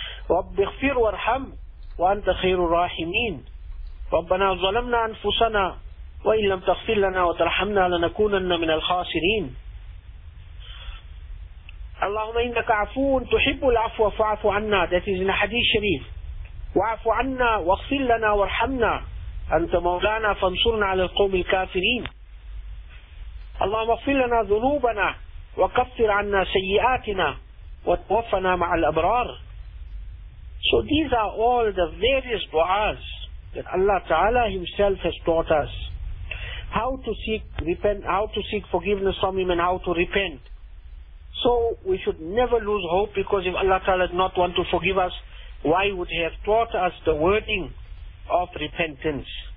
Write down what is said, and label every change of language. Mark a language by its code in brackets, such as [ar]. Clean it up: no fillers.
[ar] رَبِّ اغْفِرْ وَارْحَمْ وَأَنْتَ خَيْرُ الرَّاحِمِينَ رَبَّنَا ظَلَمْنَا أَنفُسَنَا وَإِنْ لَمْ تَغْفِرْ لَنَا وَتَرْحَمْنَا لَنَكُونَنَّ مِنَ الْخَاسِرِينَ اللهم إنك عفو تحب العفو فاعف عنا. [en] That is in the Hadith Sharif. [ar] وعف عنا واغفر لنا وارحمنا أنت مولانا فانصرنا على القوم الكافرين. اللهم اغفر لنا ذنوبنا وكفر عنا سيئاتنا وتوفنا مع الأبرار. [en] So these are all the various du'as that Allah Ta'ala Himself has taught us. How to seek repent, how to seek forgiveness from Him and how to repent. So we should never lose hope, because if Allah Ta'ala did not want to forgive us, why would He have taught us the wording of repentance?